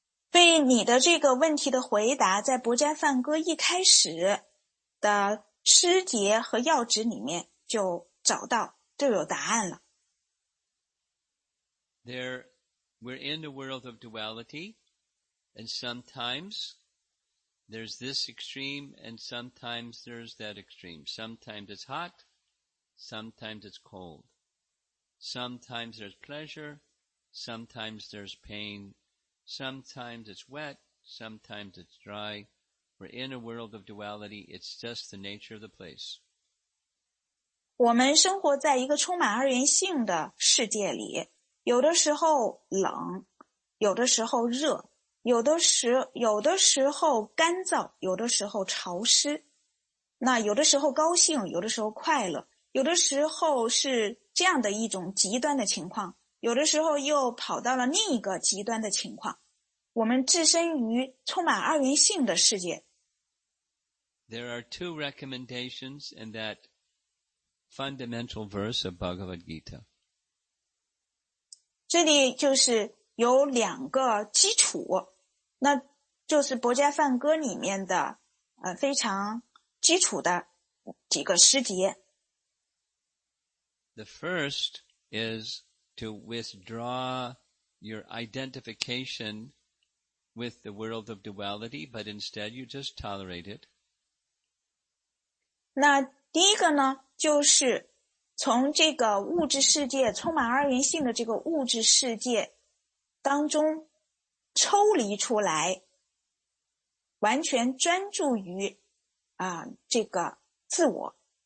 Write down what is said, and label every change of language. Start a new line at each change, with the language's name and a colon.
Chinese: 对你的这个问题的回答，在《博迦梵歌》一开始的诗节和要旨里面就找到，就有答案了。
English: There, we're in the world of duality, and sometimes there's this extreme, and sometimes there's that extreme. Sometimes it's hot, sometimes it's cold. Sometimes there's pleasure, sometimes there's pain. Sometimes it's wet, sometimes it's dry. We're in a world of duality. It's just the nature of the place.
Chinese: 我们生活在一个充满二元性的世界里，有的时候冷，有的时候热，有的时候干燥，有的时候潮湿。那有的时候高兴，有的时候快乐，有的时候是这样的一种极端的情况，有的时候又跑到了另一个极端的情况。我们置身于充满二元性的世界。
English: There are two recommendations in that fundamental verse of Bhagavad Gita.
Chinese: 这里就是有两个基础，那就是《薄伽梵歌》里面的非常基础的几个诗节。
English: The first is to withdraw your identification with the world of duality, but instead you just tolerate it.
Chinese: 那第一个呢，就是从这个物质世界，充满二元性的这个物质世界当中抽离出来，完全专注于这个自我。